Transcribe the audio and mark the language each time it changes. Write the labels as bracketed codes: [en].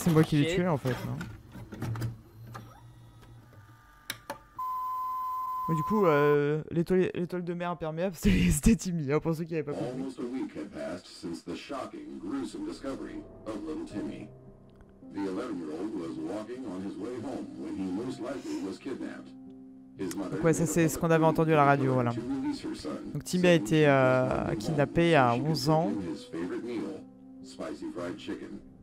[fr] C'est moi qui l'ai tué en fait, non? Mais du coup, l'étoile de mer imperméable, c'était Timmy, hein, pour ceux qui n'avaient pas compris. [en] A week had passed since the shocking, gruesome discovery of little Timmy. The 11-year-old was walking on his way home when he most likely was kidnapped. His mother. [fr] Donc ouais, ça c'est ce qu'on avait entendu à la radio, voilà. Donc Timmy a été kidnappé à 11 ans. [en] His favorite meal, spicy fried chicken.